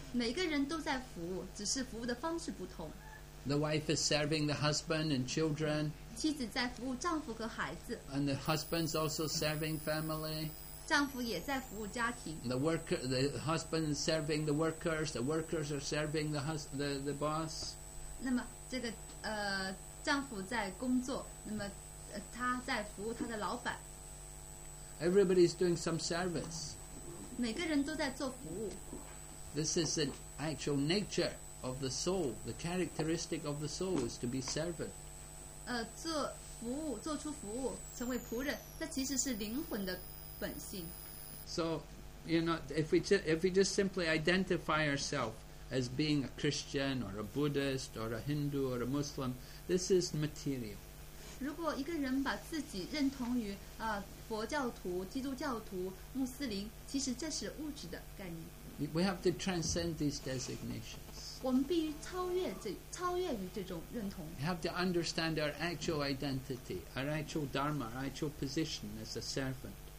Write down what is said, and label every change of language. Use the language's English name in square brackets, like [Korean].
[Chinese] 每个人都在服务，只是服务的方式不同。 [English] The wife is serving the husband and children. [Chinese] 妻子在服务丈夫和孩子。 [English] And the husband's also serving family. [Chinese] 丈夫也在服务家庭。 [English] The husband is serving the workers. The workers are serving the boss. [Chinese] 那么这个丈夫在工作，那么他在服务他的老板。 [English] Everybody is doing some service. [Chinese] 每个人都在做服务。 [English] This is the actual nature. Of the soul, the characteristic of the soul is to be servant. [Chinese] 做服务，做出服务，成为仆人，那其实是灵魂的本性。 [English] So, you know, if we just simply identify ourselves as being a Christian or a Buddhist or a Hindu or a Muslim, this is material. [Chinese] 如果一个人把自己认同于佛教徒、基督教徒、穆斯林，其实这是物质的概念。 [English] We have to transcend these designations. [Chinese] 我们必须超越于这种认同。 [English] We have to understand our actual identity, our actual dharma, our actual position as a servant.